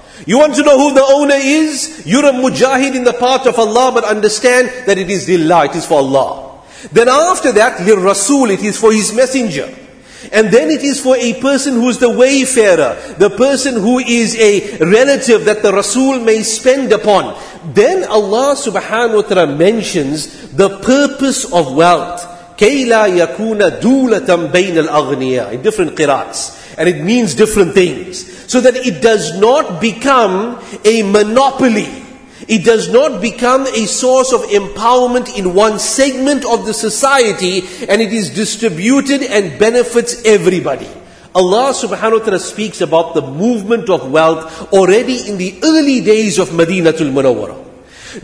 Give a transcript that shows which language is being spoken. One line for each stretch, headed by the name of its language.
English: You want to know who the owner is? You're a mujahid in the path of Allah, but understand that it is lillah, it is for Allah. Then after that, lil rasul, it is for his messenger. And then it is for a person who is the wayfarer, the person who is a relative that the Rasul may spend upon. Then Allah subhanahu wa ta'ala mentions the purpose of wealth.
Arabic: كَيْلَا يَكُونَ دُولَةً بَيْنَ الْأَغْنِيَا in different qiraats.
English: And it means different things. So that it does not become a monopoly. It does not become a source of empowerment in one segment of the society, and it is distributed and benefits everybody. Allah subhanahu wa ta'ala speaks about the movement of wealth already in the early days of Madinatul Munawwara.